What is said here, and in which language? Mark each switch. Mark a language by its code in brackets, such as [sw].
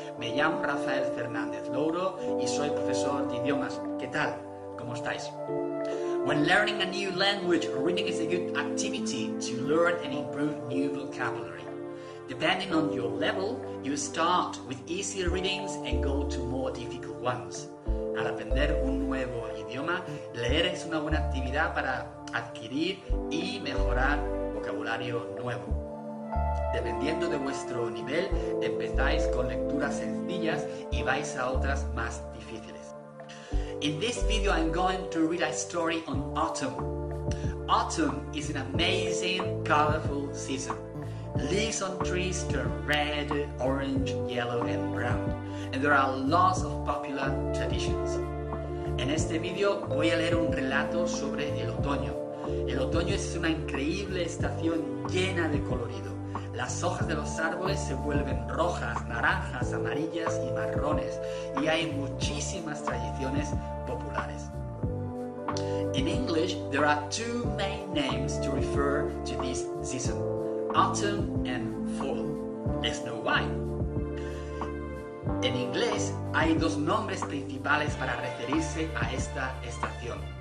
[es] Me llamo Rafael Fernandez Louro y soy profesor de idiomas. ¿Qué tal? ¿Cómo estáis? [en] When learning a new language, reading is a good activity to learn and improve new vocabulary. Depending on your level, you start with easier readings and go to more difficult ones. [es] Al aprender un nuevo idioma, leer es una buena actividad para adquirir y mejorar vocabulario nuevo. Dependiendo de vuestro nivel, empezáis con lecturas sencillas y vais a otras más difíciles. [en] In this video, I'm going to read a story on autumn. Autumn is an amazing, colorful season. Leaves on trees turn red, orange, yellow and brown. And there are lots of popular traditions. [es] En este video voy a leer un relato sobre el otoño. El otoño es una increíble estación llena de colorido. Las hojas de los árboles se vuelven rojas, naranjas, amarillas y marrones. Y hay muchísimas tradiciones populares. [en] In English, there are two main names to refer to this season. Autumn and fall. Let's know why. [es] En inglés hay dos nombres principales para referirse a esta estación.